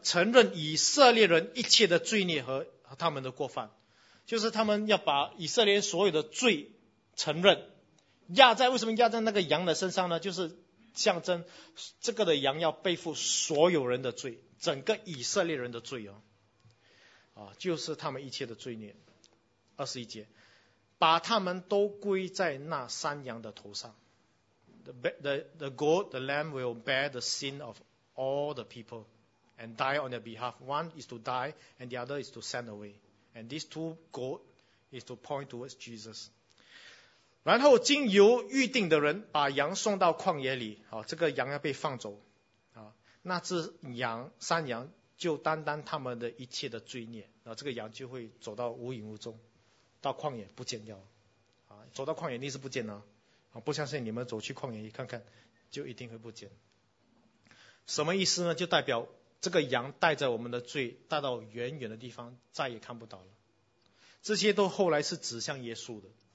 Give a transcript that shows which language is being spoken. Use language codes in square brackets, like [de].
[zh] 承认以色列人一切的罪孽和他们的过犯，就是他们要把以色列所有的罪承认，为什么压在那个羊的身上呢？就是象征这个的羊要背负所有人的罪，整个以色列人的罪就是他们一切的罪孽。二十一节，把他们都归在那山羊的头上。 [en] The goat, the lamb will bear the sin of all the people and die on their behalf. One is to die and the other is to send away. And these two goat is to point towards Jesus. [zh] 然后经由预定的人把羊送到旷野里这个羊要被放走那只羊山羊就担当他们的一切的罪孽这个羊就会走到无影无踪到旷野不见掉走到旷野一定是不见了不相信你们走去旷野一看看就一定会不见什么意思呢就代表这个羊带着我们的罪带到远远的地方再也看不到了这些都后来是指向耶稣的